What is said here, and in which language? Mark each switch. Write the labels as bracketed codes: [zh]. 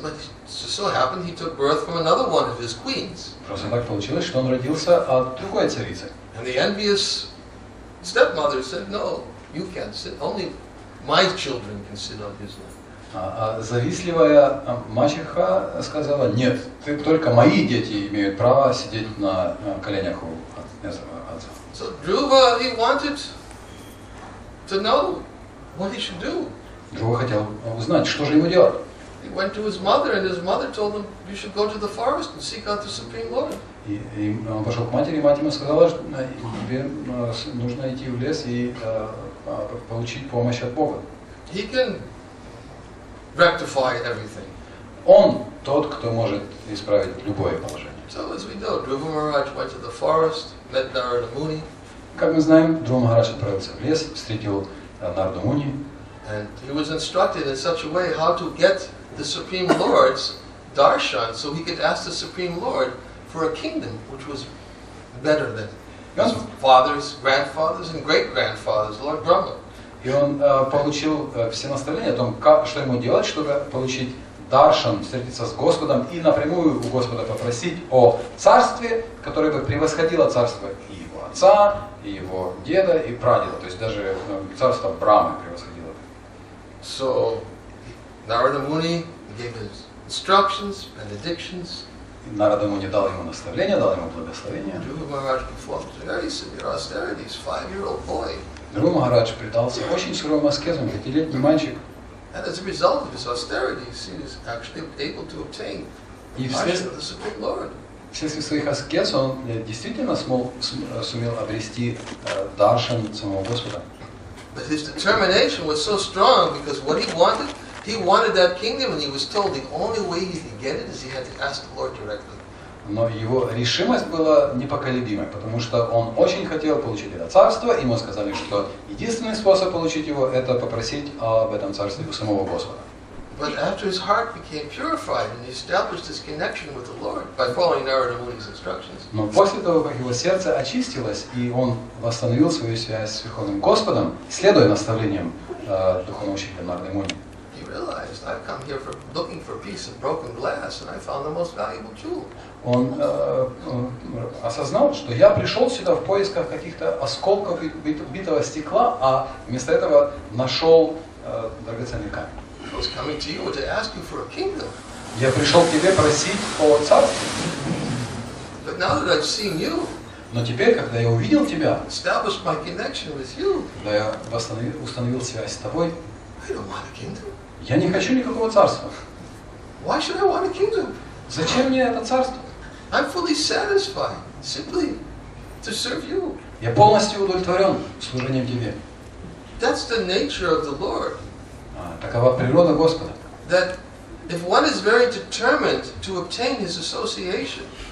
[en] But so happened he took birth from another one of his queens. [ru] Просто так получилось, что он родился от другой царицы. [en] And the envious stepmother said, "No, you can't sit. Only my children can sit on his lap." [ru] А завистливая мачеха сказала: "Нет, ты только мои дети имеют право сидеть на коленях у отца." [en] So Dhruva, he wanted to know what he should do. [ru] Dhruva хотел узнать, что же ему делать. [en] He went to his mother, and his mother told him, "You should go to the forest and seek out the Supreme Lord." [ru] И он пошел к матери, и мать ему сказала, что тебе нужно идти в лес и получить помощь от Бога. [en] He can rectify everything. [ru] Он тот, кто может исправить любое положение. [en] So as we know, Dhruva Maharaj went to the forest, met Narada Muni. [ru] Как мы знаем, Dhruva Maharaj отправился в лес, встретил Нарада Муни. [en] And he was instructed in such a way how to get the Supreme Lord's darshan, so he could ask the Supreme Lord for a kingdom which was better than his father's, grandfather's, and great-grandfather's, Lord Brahma. [ru] И он получил все наставления о том, как, что ему делать, чтобы получить даршан, встретиться с Господом и напрямую у Господа попросить о царстве, которое бы превосходило царство и его отца, и его деда, и прадеда. То есть даже царство Брамы превосходило. [en] So, Narada Muni gave his instructions, benedictions. [ru] Narada Muni дал ему наставления, дал ему благословения. [en] Dhruva Maharaj performed very severe austerities, five-year-old boy. [ru] Dhruva Maharaj предался очень суровым аскезам, пятилетний мальчик. [en] And as a result of his austerities, he was actually able to obtain the darshan of the Supreme Lord. [ru] Вследствие своих аскез он действительно сумел обрести даршан самого Господа. [en] But his determination was so strong because what he wanted that kingdom, and he was told the only way he could get it is he had to ask the Lord directly. [ru] Но его решимость была непоколебимой, потому что он очень хотел получить это царство, и ему сказали, что единственный способ получить его – это попросить об этом царстве у самого Господа. [en] But after his heart became purified and he established his connection with the Lord by following Narada Muni's instructions. [ru] Но после того, как его сердце очистилось, и он восстановил свою связь с Верховным Господом, следуя наставлениям духовного учителя Нарады Муни, [en] he realized, "I've come here for looking for peace and broken glass, and I found the most valuable jewel." [ru] Он осознал, что я пришел сюда в поисках каких-то осколков битого стекла, а вместо этого нашел драгоценный камень. [en] I was coming to you to ask you for a kingdom. [ru] Я пришел к тебе просить о царстве. [en] But now that I've seen you, [ru] но теперь, когда я увидел тебя, [en] established my connection with you, [ru] когда я установил связь с тобой, [en] I don't want a kingdom. [ru] Я не хочу никакого царства. [en] Why should I want a kingdom? [ru] Зачем мне это царство? [en] I'm fully satisfied, simply to serve you. [ru] Я полностью удовлетворен служением тебе. [en] That's the nature of the Lord. [ru] Такова природа Господа. [en] That if one is very determined to obtain his association,